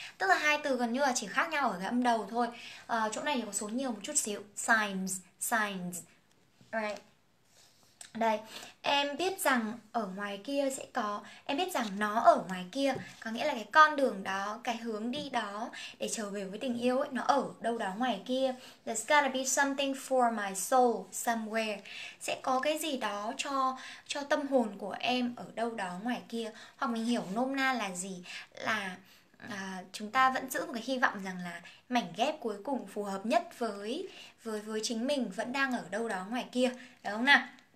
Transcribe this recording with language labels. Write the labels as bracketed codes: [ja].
[vi] Tức là hai từ gần như là chỉ khác nhau ở cái âm đầu thôi. Chỗ này thì có số nhiều một chút xíu. [en] Signs, signs. Right. [vi] Đây, em biết rằng ở ngoài kia sẽ có, em biết rằng nó ở ngoài kia, có nghĩa là cái con đường đó, cái hướng đi đó để trở về với tình yêu ấy, nó ở đâu đó ngoài kia. [en] There's gotta be something for my soul somewhere. [vi] Sẽ có cái gì đó cho tâm hồn của em ở đâu đó ngoài kia. Hoặc mình hiểu nôm na là gì? Là chúng ta vẫn giữ một cái hy vọng rằng là mảnh ghép cuối cùng phù hợp nhất với chính mình vẫn đang ở đâu đó ngoài kia. Đúng không nào?